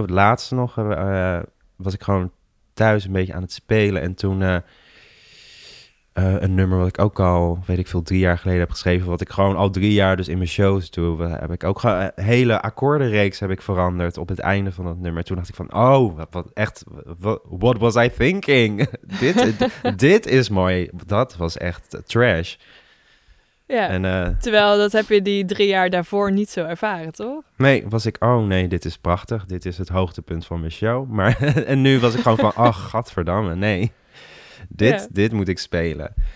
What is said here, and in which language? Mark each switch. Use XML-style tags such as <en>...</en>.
<nl>Het laatste nog was ik gewoon thuis een beetje aan het spelen. En toen een nummer wat ik ook al, weet ik veel, 3 jaar geleden heb geschreven. Wat ik gewoon al 3 jaar dus in mijn shows doe. Heb ik ook hele akkoordenreeks heb ik veranderd op het einde van dat nummer. Toen dacht ik van, oh,</nl> <en>what was I thinking?</en> <nl>dit is mooi. Dat was echt trash. Ja, en, terwijl dat heb je die 3 jaar daarvoor niet zo ervaren, toch? Nee, was ik, oh nee, dit is prachtig. Dit is het hoogtepunt van mijn show. Maar en nu was ik gewoon van, oh, godverdamme, nee. Dit moet ik spelen.</nl>